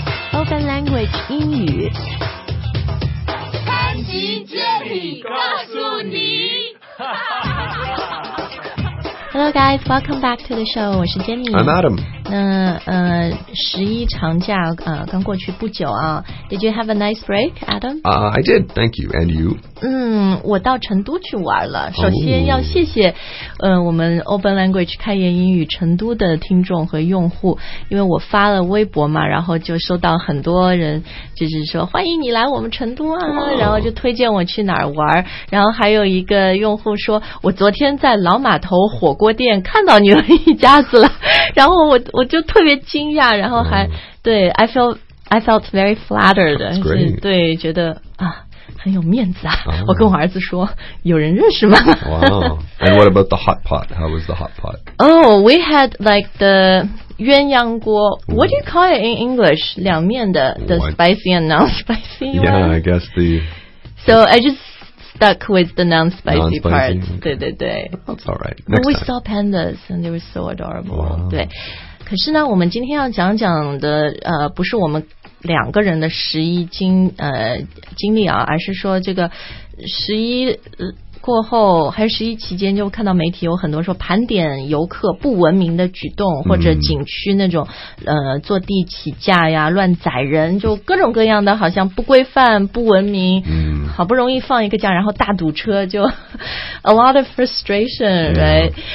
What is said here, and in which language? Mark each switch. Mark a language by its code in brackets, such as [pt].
[en] Spoken Language 英语。 [zh] 潘吉杰里告诉你。 [en] Hello guys, welcome back to the show. [zh] 我是 Jenny. [en] I'm Adam. [zh] 那十一长假刚过去不久啊。 [en] Did you have a nice break, Adam? I did. Thank you. And you? [zh] 我到成都去玩了。首先要谢谢我们 Open Language 开言英语成都的听众和用户，因为我发了微博嘛，然后就收到很多人就是说欢迎你来我们成都啊，然后就推荐我去哪儿玩。然后还有一个用户说，我昨天在老码头火锅店看到你们一家子了，然后我就特别惊讶，然后还对 [en] I felt very flattered， [zh] 对，觉得啊很有面子啊。我跟我儿子说，有人认识吗？ [en] Wow. And what about the hot pot? How was the hot pot? Oh, we had like the 鸳鸯锅。 What do you call it in English? [zh] 两面的 [en] the spicy and non-spicy one. Yeah, I guess the. So I just stuck with the non-spicy part. Okay. [zh] 对对对。 [en] That's alright. Next time. We saw pandas and they were so adorable. Wow. 对。 [zh] 可是呢我们今天要讲讲的不是我们两个人的十一经历啊，而是说这个十一过后还是十一期间，就看到媒体有很多说盘点游客不文明的举动，或者景区那种坐地起价呀，乱宰人，就各种各样的好像不规范不文明，好不容易放一个假然后大堵车，就 [en] a lot of frustration right。